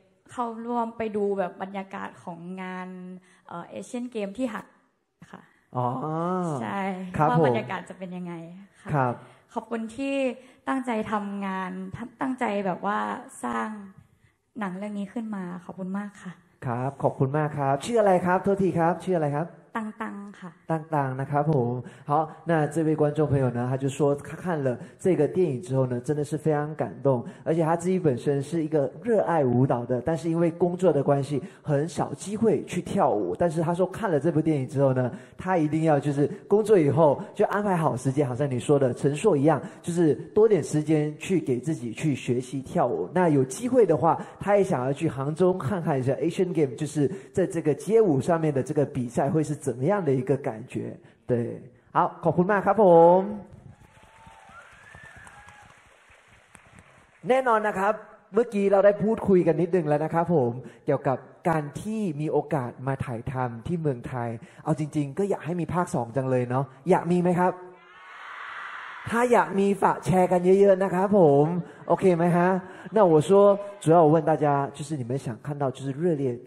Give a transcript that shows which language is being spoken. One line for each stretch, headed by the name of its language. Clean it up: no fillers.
Thai: เข้าร่วมไปดูแบบบรรยากาศของงานเอเชียนเกมที่หัดค่ะ อ๋ อ ใช่ว่าบรรยากาศจะเป็นยังไงค่ ะขอบคุณที่ตั้งใจทำงานตั้งใจแบบว่าสร้างหนังเรื่องนี้ขึ้นมาขอบคุณมากค่ะ ครับขอบคุณมากครับชื่ออะไรครับโทษทีครับชื่ออะไรครับ ตังตัง ค่ะ ตังตังนะครับผม
Chinese: 好那这位观众朋友呢他就说他看了这个电影之后呢真的是非常感动而且他自己本身是一个热爱舞蹈的但是因为工作的关系很少机会去跳舞但是他说看了这部电影之后呢他一定要就是工作以后就安排好时间好像你说的陈硕一样就是多点时间去给自己去学习跳舞那有机会的话他也想要去杭州看看一下 Asian Game 就是在这个街舞上面的这个比赛会是怎么样的一个感觉？对，好，
Thai: ขอบคุณมากครับผม。 แน่นอนนะครับเมื่อกี้เราได้พูดคุยกันนิดนึงแล้วนะครับผมเกี่ยวกับการที่มีโอกาสมาถ่ายทำที่เมืองไทยเอาจริงๆก็อยากให้มีภาค2จังเลยเนาะอยากมีไหมครับถ้าอยากมีฝากแชร์กันเยอะๆนะครับผมโอเคไหมฮะ
Chinese: 那我说主要我问大家就是你们想看到就是热烈